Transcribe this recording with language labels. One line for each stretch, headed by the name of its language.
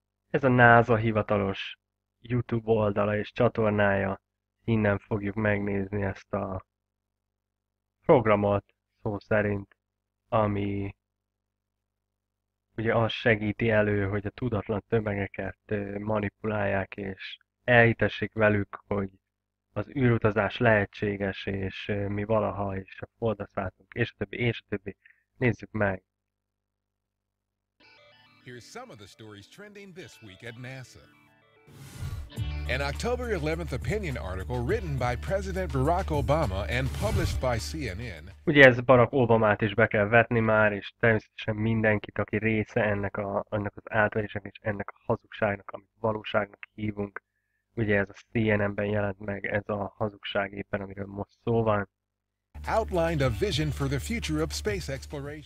Hungarian: Ez a NASA hivatalos YouTube oldala és csatornája, innen fogjuk megnézni ezt a programot szó szerint, ami ugye az segíti elő, hogy a tudatlan tömegeket manipulálják és elhitessék velük, hogy az űrutazás lehetséges, és mi valaha is a Holdra szálltunk, és a többi, és a többi. Nézzük meg!
English: Here's some of the stories trending this week at NASA. An October 11th opinion article written by President Barack Obama and published by CNN.
Hungarian: Ugye ez Barack Obamát is be kell vetni már, és természetesen mindenkit, aki része ennek annak az átverésnek és ennek a hazugságnak, amit valóságnak hívunk. Ugye ez a CNN-ben jelent meg, ez a hazugság éppen, amiről most szó van.
English: Outlined a vision for the future of space exploration.